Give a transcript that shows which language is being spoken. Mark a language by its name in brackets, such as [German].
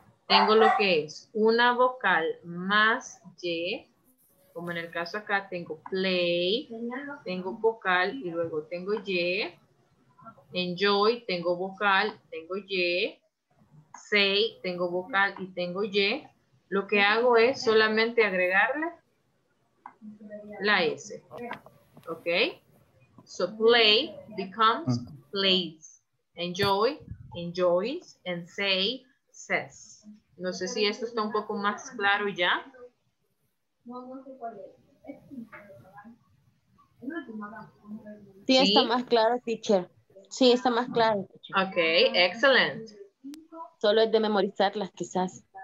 [Spanish] tengo lo que es una vocal más Y, como en el caso acá tengo play, tengo vocal y luego tengo Y, enjoy, tengo vocal, tengo Y, say, tengo vocal y tengo Y, lo que hago es solamente agregarle la S, ¿ok? [English] So play becomes plays, enjoy, enjoys, and say, says. [Spanish] No sé si esto está un poco más claro ya. Sí, está más claro, teacher. Sí, está más claro. [English] Ok, excellent. [Spanish] Solo es de memorizarlas, quizás.